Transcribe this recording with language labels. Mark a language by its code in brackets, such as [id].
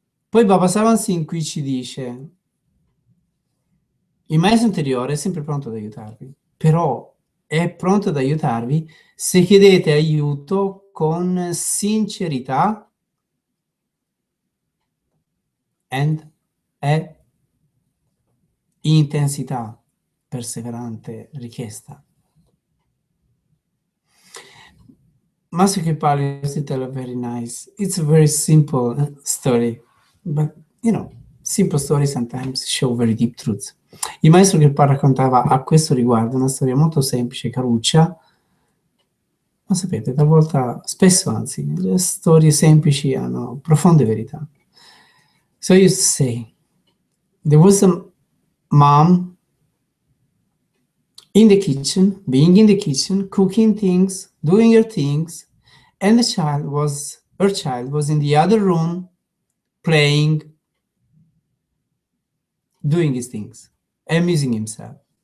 [it] Poi Baba Sawan Singh qui ci dice, il maestro interiore è sempre pronto ad aiutarvi, però è pronto ad aiutarvi se chiedete aiuto con sincerità and intensità, perseverante richiesta. [en] Master Kripalu, you tell a very nice, it's a very simple story, but you know, simple stories sometimes show very deep truths. [it] Il maestro Kripalu raccontava a questo riguardo una storia molto semplice, caruccia, ma sapete, talvolta, spesso anzi, le storie semplici hanno profonde verità. [en] So you say, there was a mom in the kitchen, being in the kitchen, cooking things, doing her things, and the child was, her child was in the other room playing, doing his things, amusing himself.